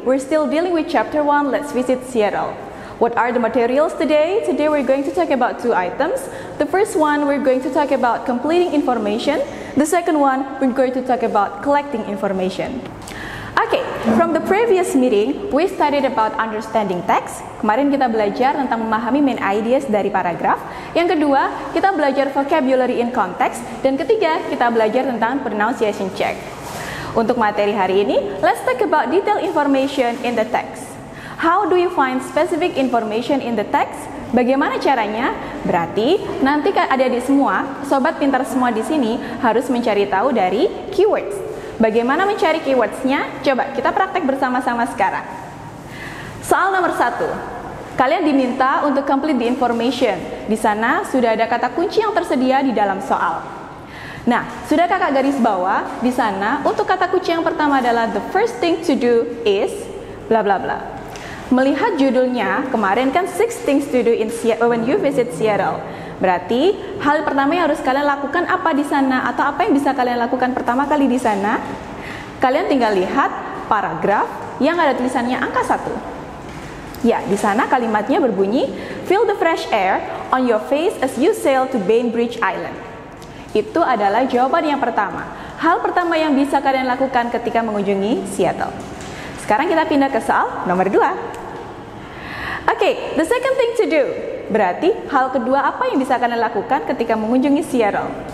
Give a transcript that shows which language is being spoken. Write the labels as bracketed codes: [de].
[en] We're still dealing with chapter 1, Let's Visit Seattle. What are the materials today? Today we're going to talk about two items. The first one, we're going to talk about completing information. The second one, we're going to talk about collecting information. Okay, from the previous meeting, we studied about understanding text. [id] Kemarin kita belajar tentang memahami [en] main ideas [id] dari paragraf. Yang kedua, kita belajar [en] vocabulary in context. [id] Dan ketiga, kita belajar tentang [en] pronunciation check. [id] Untuk materi hari ini, [en] let's talk about detailed information in the text. How do you find specific information in the text? [id] Bagaimana caranya? Berarti nanti adik-adik semua, sobat pintar semua di sini harus mencari tahu dari keywords. Bagaimana mencari keywordsnya? Coba kita praktek bersama-sama sekarang. Soal nomor 1. Kalian diminta untuk [en] complete the information. [id] Di sana sudah ada kata kunci yang tersedia di dalam soal. Nah, sudah kakak garis bawah, di sana untuk kata kunci yang pertama adalah [en] the first thing to do is bla bla [id] bla. Melihat judulnya, kemarin kan [en] 6 things to do in Seattle, when you visit Seattle. [id] Berarti hal pertama yang harus kalian lakukan apa di sana atau apa yang bisa kalian lakukan pertama kali di sana? Kalian tinggal lihat paragraf yang ada tulisannya angka 1. Ya, di sana kalimatnya berbunyi [en] feel the fresh air on your face as you sail to Bainbridge Island. [id] Itu adalah jawaban yang pertama. Hal pertama yang bisa kalian lakukan ketika mengunjungi Seattle. Sekarang kita pindah ke soal nomor 2. [en] Okay, the second thing to do. [id] Berarti hal kedua apa yang bisa kalian lakukan ketika mengunjungi Seattle?